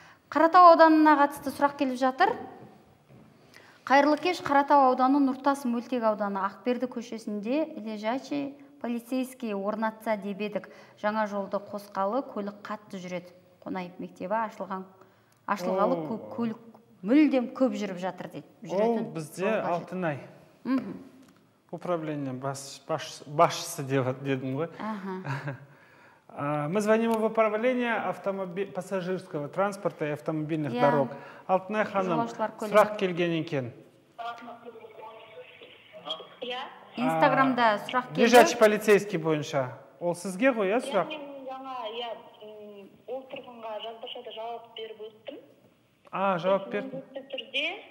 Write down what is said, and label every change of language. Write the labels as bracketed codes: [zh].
[kk] Қаратау ауданына қатысты сұрақ келіп жатыр. Қайырлы кеш, Қаратау ауданы Нұртас мөлтек ауданы Ақберді көшесінде [ru] лежачий полицейский [kk] орнатса деп едік. Жаңа жолды қосқалы көлік қатты жүреді. Қонаев мектебі ашылғалы көлік мүлдем көп жүріп жатыр дейді. Ол бізде Алтынай [ru] управление [kk] басшысы дедім ғой. [ru] Мы звоним в управление пассажирского транспорта и автомобильных дорог. [kk] Алтынай ханым, сұрақ келген екен. Инстаграмда сұрақ келді. [ru] Лежачий полицейский [kk] бойынша. Ол сізге ғой, иә, сұрақ? Мен жаңа, иә, ол тұрғынға жазбаша да жауап беріп өттім. Жауап берді.